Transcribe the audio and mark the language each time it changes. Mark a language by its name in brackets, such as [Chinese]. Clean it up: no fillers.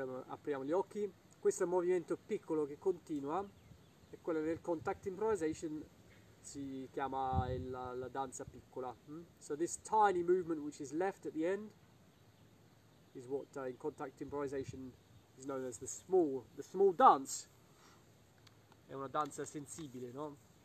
[Italian] Apriamo gli occhi, questo è un movimento piccolo che continua, è quello del contact improvisation, si chiama la danza piccola. [English] So this tiny movement which is left at the end is what in contact improvisation is known as the small dance. [Italian] È una danza sensibile, no?